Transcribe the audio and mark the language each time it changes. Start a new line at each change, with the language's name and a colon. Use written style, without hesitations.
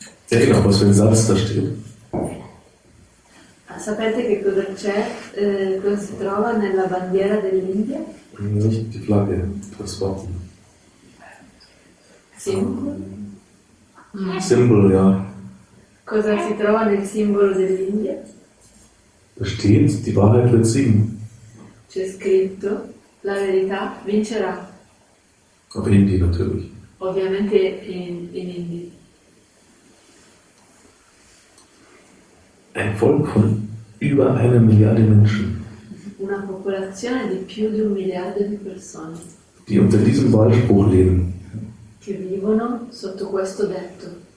German: Ja genau, was für ein Satz da steht.
Italian: Sapete che cosa c'è, cosa si trova nella bandiera dell'India?
German: Nicht die Flagge, das Wappen.
Italian: Simbolo? Simbolo, ja. Cosa si trova nel simbolo dell'India?
German: Da steht, die Wahrheit wird siegen.
Italian: C'è scritto, la verità vincerà.
German: Auf Hindi natürlich.
Italian: Ovviamente in Hindi.
German: Ein Volk von über 1 Milliarde Menschen.
Italian: Una popolazione di più di 1 miliardo di persone.
German: Die unter diesem Wahlspruch leben.
Italian: Che vivono sotto questo detto.